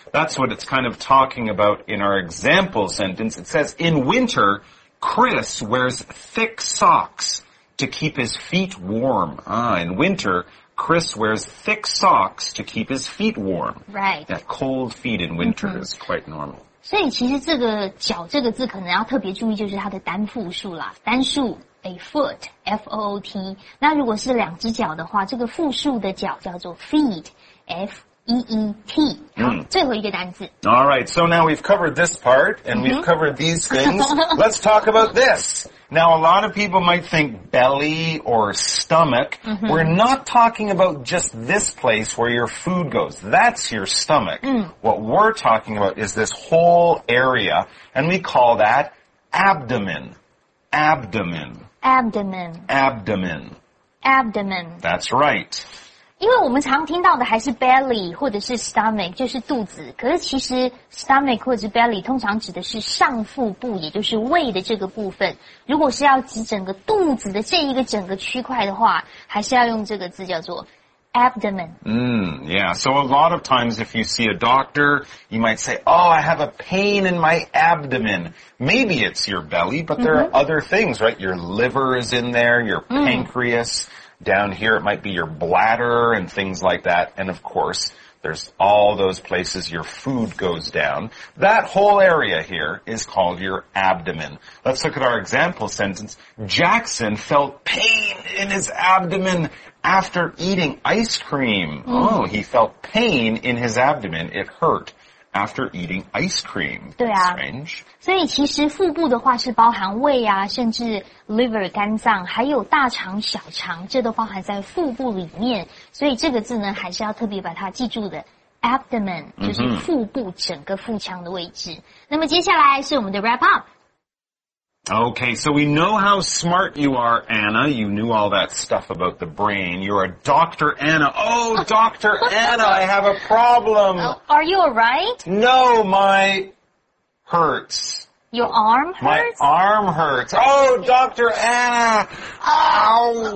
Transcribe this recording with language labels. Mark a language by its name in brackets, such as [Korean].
[English] That's what it's kind of talking about in our example sentence. It says, in winter, Chris wears thick socks to keep his feet warm. In winter... Chris wears thick socks to keep his feet warm. Right. That cold feet in winter is quite normal. [Chinese] 所以其实这个脚这个字可能要特别注意就是它的单复数啦。单数 [English] a foot, F-O-O-T. [Chinese] 那如果是两只脚的话这个复数的脚叫做 feet, F-E-E-T. 好最后一个单字。 [English] All right, so now we've covered this part and we've covered these things. Let's talk about this. Now, a lot of people might think belly or stomach. Mm-hmm. We're not talking about just this place where your food goes. That's your stomach. What we're talking about is this whole area, and we call that abdomen. Abdomen. Abdomen. Abdomen. Abdomen. That's right. [Chinese] 因为我们常听到的还是 belly 或者是 stomach, 就是肚子。可是其实 stomach 或者 belly 通常指的是上腹部，也就是胃的这个部分。如果是要指整个肚子的这一个整个区块的话，还是要用这个字叫做 abdomen。 [English] Yeah, so a lot of times if you see a doctor, you might say, oh, I have a pain in my abdomen. Maybe it's your belly, but there are other things, right? Your liver is in there, your pancreas. Down here, it might be your bladder and things like that. And of course, there's all those places your food goes down. That whole area here is called your abdomen. Let's look at our example sentence. Jackson felt pain in his abdomen after eating ice cream. Oh, he felt pain in his abdomen. It hurt. After eating ice cream. [Chinese] 对啊 [English] Strange. [Chinese] 所以其实腹部的话是包含胃啊甚至 liver 肝脏还有大肠小肠这都包含在腹部里面。所以这个字呢还是要特别把它记住的 abdomen, 就是腹部整个腹腔的位置。那么接下来是我们的 wrap up. [English] Okay, so we know how smart you are, Anna. You knew all that stuff about the brain. You're a Dr. Anna. Oh, Dr. Anna, I have a problem. Are you alright? No, my hurts. Your arm hurts? My arm hurts. Oh, Dr. Anna. Ow.